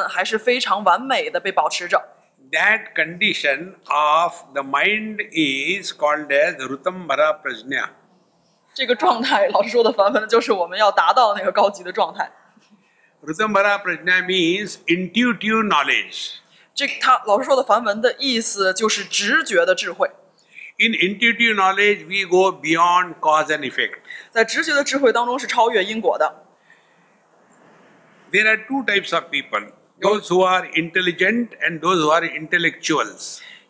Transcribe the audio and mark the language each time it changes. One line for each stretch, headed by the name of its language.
Chinese: 但是我们的那个水平点还是非常完美地被保持着。
English: That condition of the mind is called as Rutambara Prajna.
Chinese: 这个状态老师说的烦烦的就是我们要达到那个高级的状态。
English: Rutambara Prajna means intuitive knowledge.
Chinese: 这他老师说的梵文的意思就是直觉的智慧。
English: In intuitive knowledge, we go beyond cause and effect.
Chinese: 在直觉的智慧当中是超越因果的。
English: There are two types of people, those who are intelligent and those who are intellectuals.